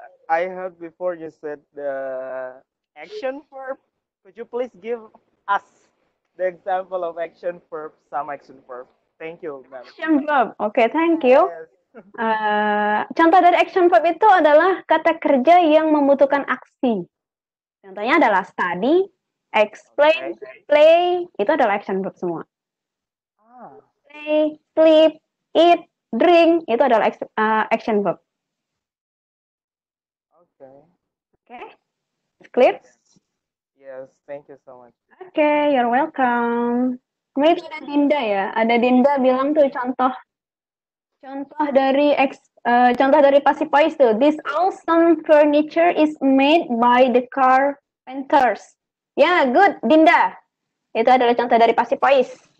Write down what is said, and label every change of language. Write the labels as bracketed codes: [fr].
[en] I heard before you said the action verb. Could you please give us the example of action verb, some action verb? Thank you, ma'am. Action verb. Okay, thank you. Yes. [id] Contoh dari action verb itu adalah kata kerja yang membutuhkan aksi. Contohnya adalah study, explain, okay. Play. Itu adalah action verb semua. Play, sleep, eat, drink. Itu adalah action verb. Oke. Okay. [en] Oke. Okay. Clear? Yes, thank you so much. Oke, okay, you're welcome. Maybe [id] ada Dinda ya. Ada Dinda bilang tuh contoh dari passive voice tuh. [en] This awesome furniture is made by the carpenters. Ya, yeah, good, Dinda. [id] Itu adalah contoh dari passive voice.